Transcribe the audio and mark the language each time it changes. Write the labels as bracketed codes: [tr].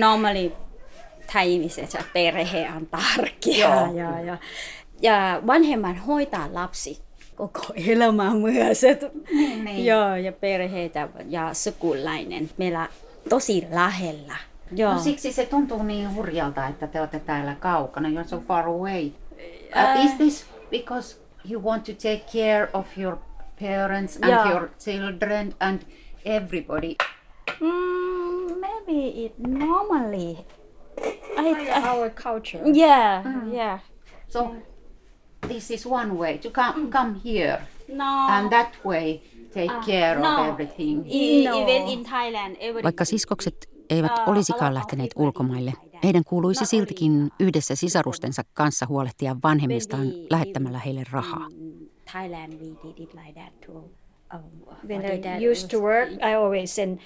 [fi] Normaali ihmisessä perhe on tärkeää. Ja vanhemmat hoitaa lapsi. Koko elämä myös, ja perheitä ja sukulainen. Meillä tosi lähellä. Joo. No siksi se tuntuu niin hurjalta, että te olette täällä kaukana. [en] You're so far away. Is this because you want to take care of your parents and your children and everybody? Maybe it normally. Our culture. Yeah. So. This is one way to come here. No. And that way take care of everything. Even in Thailand, everything. [fi] Vaikka siskokset eivät olisikaan lähteneet ulkomaille, heidän kuuluisi siltikin yhdessä sisarustensa kanssa huolehtia vanhemmistaan lähettämällä heille rahaa. [en] Thailand we did it like that too. When I used to work, I always send